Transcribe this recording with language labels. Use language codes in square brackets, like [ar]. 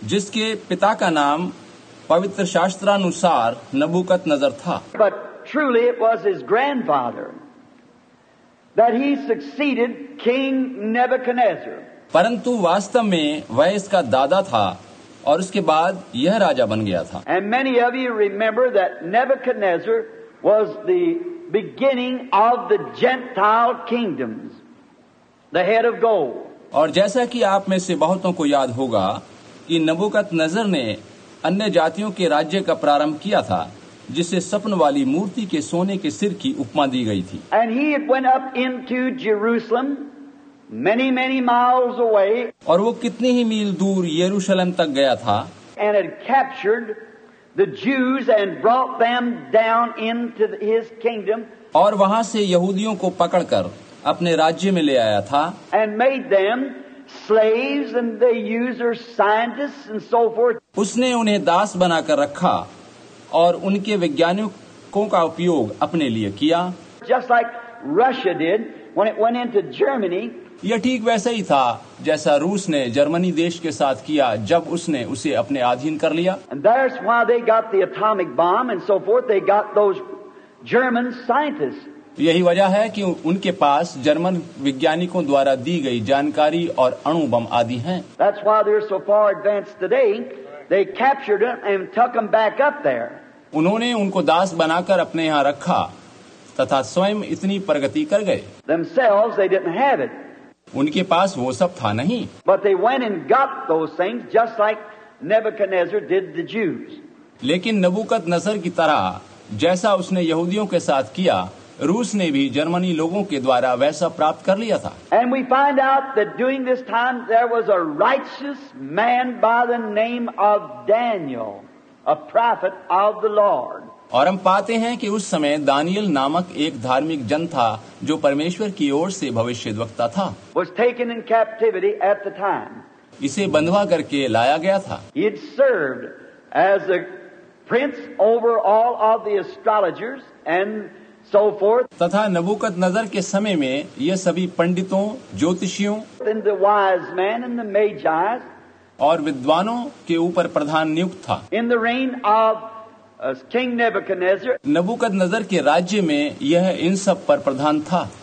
[hi] जिसके पिता का नाम पवित्र शास्त्रानुसार नबूकदनज़र था. [en] But truly it was his grandfather that he succeeded King Nebuchadnezzar. [hi] परंतु वास्तव में वह इसका दादा था और उसके बाद यह राजा बन गया था. [en] And many of you remember that Nebuchadnezzar was the beginning of the Gentile kingdoms, the head of gold. [hi] और जैसा कि आप में से बहुतों को याद होगा कि नबूकदनज़र ने अन्य जातियों के राज्य का प्रारंभ किया था, जिसे स्वप्न वाली मूर्ति के सोने के सिर की उपमा दी गई थी. [en] And he went up into Jerusalem, many, many miles away, [hi] और वो कितनी ही मील दूर यरूशलेम तक गया था. [en] And had captured the Jews and brought them down into his kingdom, [hi] और वहां से यहूदियों को पकड़कर अपने राज्य में ले आया था. [en] And made them slaves and they used their scientists and so forth. [hi] उसने उन्हें दास बनाकर रखा और उनके वैज्ञानिकों का उपयोग अपने लिए किया. [en] Just like Russia did when it went into Germany. [hi] यह ठीक वैसा ही था जैसा रूस ने जर्मनी देश के साथ किया जब उसने उसे अपने अधीन कर लिया. [en] And that's why they got the atomic bomb and so forth. They got those German scientists. [hi] यही वजह है कि उनके पास जर्मन वैज्ञानिकों द्वारा दी गई जानकारी और अणु बम आदि हैं. [en] That's why they're so far advanced today. They captured them and took them back up there. [hi] उन्होंने उनको दास बनाकर अपने यहाँ रखा तथा स्वयं इतनी प्रगति कर गए. [en] Themselves, they didn't have it. [hi] उनके पास वो सब था नहीं. [en] But they went and got those things just like Nebuchadnezzar did the Jews. [hi] लेकिन नबूकदनज़र की तरह जैसा उसने यहूदियों के साथ किया, रूस ने भी जर्मनी लोगों के द्वारा वैसा प्राप्त कर लिया था. [en] And we find out that during this time there was a righteous man by the name of Daniel, a prophet of the Lord. [hi] और हम पाते हैं कि उस समय दानियल नामक एक धार्मिक जन था जो परमेश्वर की ओर से भविष्यद्वक्ता था. [en] Was taken in captivity at the time. [hi] इसे बंधवा करके लाया गया था. [en] He had served as a prince over all of the astrologers and so forth. [hi] तथा नबूकदनज़र के समय में ये सभी पंडितों, ज्योतिषियों, [en] and the wise men and the magi, [hi] और विद्वानों के ऊपर प्रधान नियुक्त था. [en] In the reign of King Nebuchadnezzar, [hi] नबूकदनज़र के राज्य में यह इन सब पर प्रधान था.